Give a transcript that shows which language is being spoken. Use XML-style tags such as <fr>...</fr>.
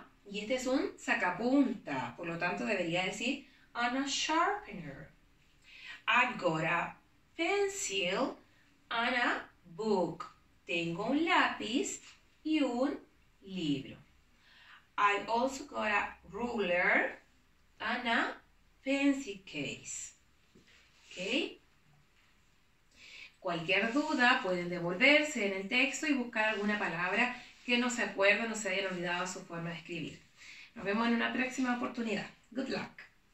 <es>Y este es un sacapunta, por lo tanto, debería decir,</es> <en>and a sharpener. I've got a pencil, and a book.</en> <es>Tengo un lápiz y un libro.</es> <en>I also got a ruler and a pencil case. ¿Ok?</en> <es>Cualquier duda pueden devolverse en el texto y buscar alguna palabra que no se acuerde o no se haya olvidado su forma de escribir. Nos vemos en una próxima oportunidad.</es> <en>Good luck.</en>